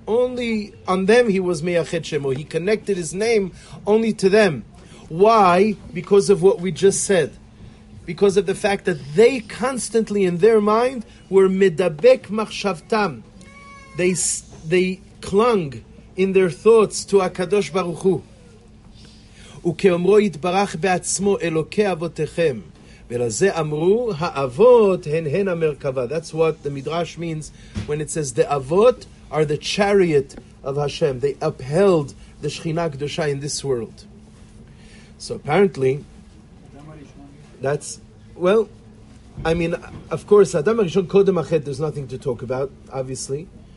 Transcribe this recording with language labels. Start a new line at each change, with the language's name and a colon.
English: Only on them He was Meyached Shemo. He connected His name only to them. Why? Because of what we just said. Because of the fact that they constantly in their mind were Medabek Machshavtam. They clung in their thoughts to HaKadosh Baruch Hu.
Hebrew: וכאמרו יתברך בעצמו אלוקי אבותיכם ולזה אמרו האבות הן הן המרכבה.
English: That's what the Midrash means when it says the avot are the chariot of Hashem. They upheld the Shechinah Kedoshah in this world. So apparently, that's, well, I mean, of course, Adam HaRishon, Kodem HaChet, there's nothing to talk about, obviously.